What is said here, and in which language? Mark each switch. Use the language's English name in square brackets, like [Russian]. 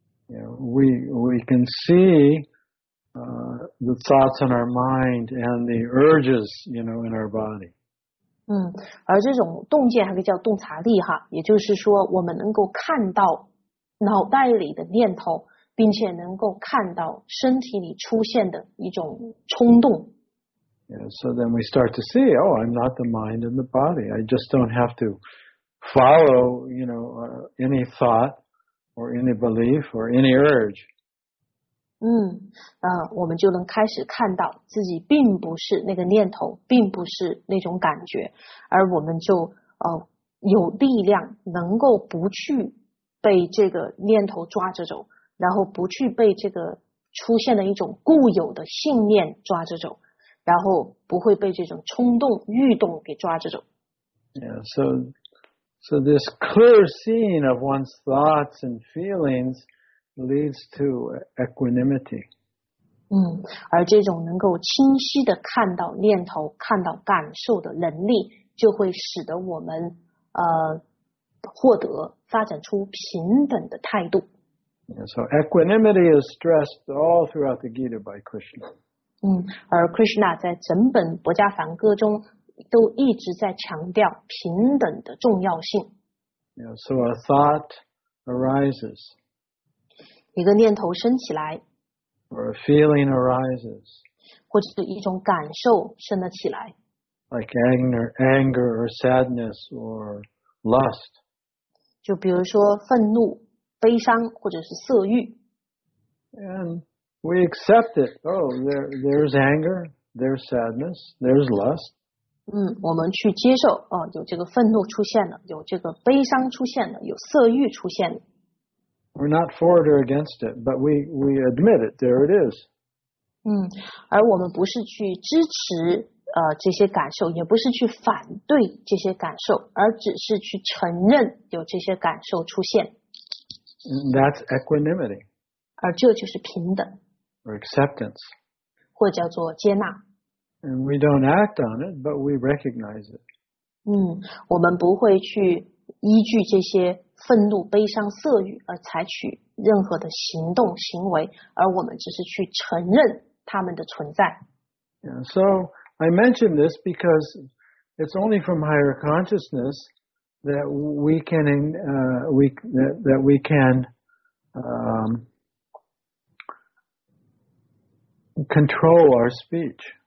[English] We can see the thoughts in our mind and the urges, you know, in our body. [Chinese] 而这种洞见还可以叫洞察力哈，也就是说我们能够看到脑袋里的念头，并且能够看到身体里出现的一种冲动。 [English] Yeah, so then we start to see, oh, I'm not the mind and the body. I just don't have to follow, you know, any thought or any belief or any urge. [Chinese] 我们就能开始看到自己并不是那个念头，并不是那种感觉，而我们就有力量能够不去被这个念头抓着走，然后不去被这个出现的一种固有的信念抓着走，然后不会被这种冲动欲动给抓着走。 [English] Yeah, so this clear seeing of one's thoughts and feelings leads to equanimity. [Chinese] 而这种能够清晰的看到念头、看到感受的能力，就会使得我们获得发展出平等的态度。 [English] So equanimity is stressed all throughout the Gita by Krishna. [Chinese] 而 Krishna 在整本薄伽梵歌中都一直在强调平等的重要性。 [English] Yeah, so a thought arises. [Chinese] 一个念头升起来。 [English] Or a feeling arises. [Chinese] 或者是一种感受升了起来。 [English] Like anger or sadness or lust. [Chinese] 就比如说愤怒。悲伤或者是色欲。 [English] And we accept it. Oh, there's anger, there's sadness, there's lust. [Chinese] 我们去接受，有这个愤怒出现了，有这个悲伤出现了，有色欲出现了。 [English] We're not for it or against it, but we admit it, there it is. [Chinese] 而我们不是去支持这些感受，也不是去反对这些感受，而只是去承认有这些感受出现。 [English] That's equanimity. [Chinese] 而这就是平等。 [English] Or acceptance. [Chinese] 或者叫做接纳。 [English] And we don't act on it, but we recognize it. [Chinese] 我们不会去依据这些愤怒、悲伤、色欲而采取任何的行动、行为，而我们只是去承认他们的存在。 [English] Yeah, so I mention this because it's only from higher consciousness that we can control our speech.